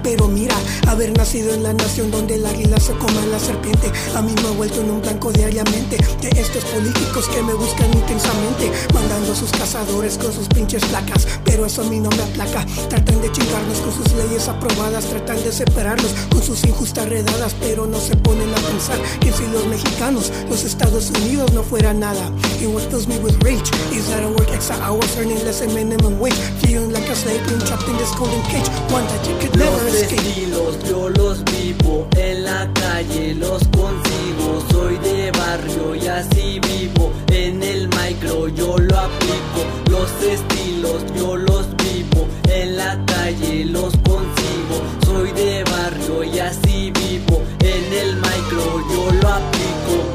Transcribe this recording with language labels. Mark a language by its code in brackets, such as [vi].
[es] Pero mira, haber nacido en la nación donde el águila se coma la serpiente, a mí me ha vuelto en un blanco diariamente de estos políticos que me buscan intensamente, mandando sus cazadores con sus pinches placas, pero eso a mí no me aplaca. Tratan de chingarnos con sus leyes aprobadas, tratan de separarnos con sus injustas redadas, pero no se ponen a pensar que si los mexicanos, los Estados Unidos no fuera nada. [en] Y what fills me with rage is that I work extra hours earning less than minimum wage, feeling like a slave being trapped in this golden cage, one that you could never escape. [es] Los estilos yo los vivo, en la calle los consigo, soy de barrio y así vivo, en el micro yo lo aplico. Los estilos yo los vivo, en la calle los consigo, soy de barrio y así vivo, en el micro yo lo aplico.